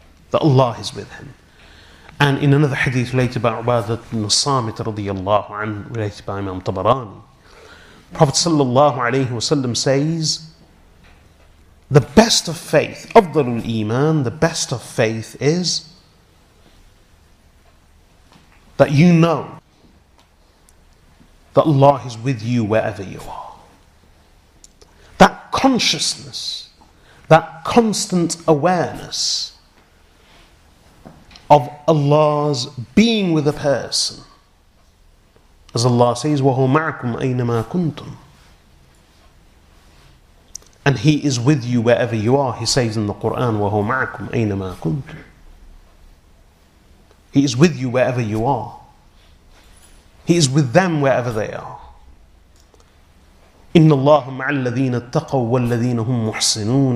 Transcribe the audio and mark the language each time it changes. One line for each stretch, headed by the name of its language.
English: That Allah is with him. And in another hadith related by Ubadah ibn Samit radiyallahu anhu, related by Imam Tabarani, Prophet sallallahu alayhi wasallam says, the best of faith, afdalul iman, the best of faith is that you know that Allah is with you wherever you are. That consciousness, that constant awareness of Allah's being with a person. As Allah says,
Arabic: وَهُوَ مَعْكُمْ أَيْنَمَا كُنْتُمْ.
English: And He is with you wherever you are. He says in the Quran,
Arabic: وَهُوَ مَعْكُمْ أَيْنَمَا كُنْتُمْ.
English: He is with you wherever you are. He is with them wherever they are.
Arabic: إِنَّ اللَّهُ مَعَ الَّذِينَ اتَّقَوْا وَالَّذِينَ هُمْ مُحْسِنُونَ.